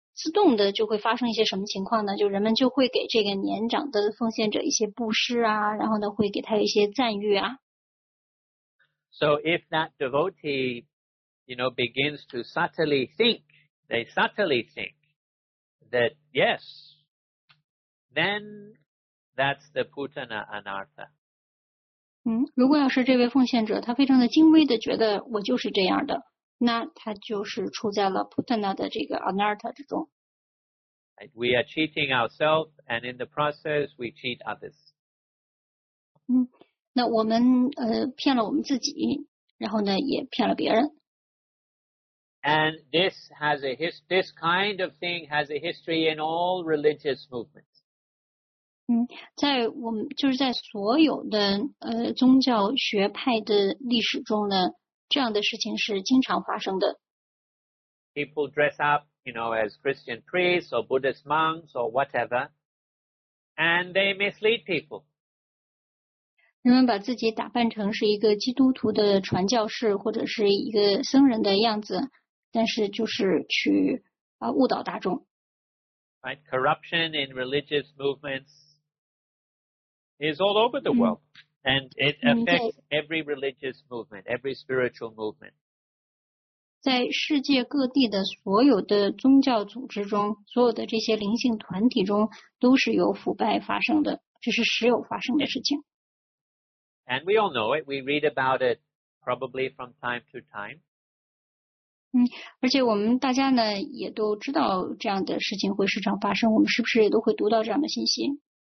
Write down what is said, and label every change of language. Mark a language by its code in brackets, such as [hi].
[zh] 自动的就会发生一些什么情况呢？就人们就会给这个年长的奉献者一些布施啊，然后呢会给他一些赞誉啊。 [en] So if that devotee, you know, begins to subtly think, they subtly think that yes, then that's the Putana Anartha. [zh] 如果要是这位奉献者他非常的精微的觉得我就是这样的。那他就是处在了 Putana 的这个 Anartha 之中。 [en] We are cheating ourselves, and in the process, we cheat others. [zh] 那我们骗了我们自己，然后呢也骗了别人。 [en] And this has a this kind of thing has a history in all religious movements. [zh] 在我们就是在所有的宗教学派的历史中呢，这样的事情是经常发生的。 [en] People dress up, you know, as Christian priests or Buddhist monks or whatever, and they mislead people. [zh] 人们把自己打扮成是一个基督徒的传教士或者是一个僧人的样子，但是就是去误导大众。 [en] Right, corruption in religious movements is all over the world, and it affects every religious movement, every spiritual movement. [zh] 在世界各地的所有的宗教组织中，所有的这些灵性团体中，都是有腐败发生的，这是时有发生的事情。 [en] And we all know it. We read about it probably from time to time. [zh] 而且我们大家呢也都知道这样的事情会时常发生，我们是不是也都会读到这样的信息？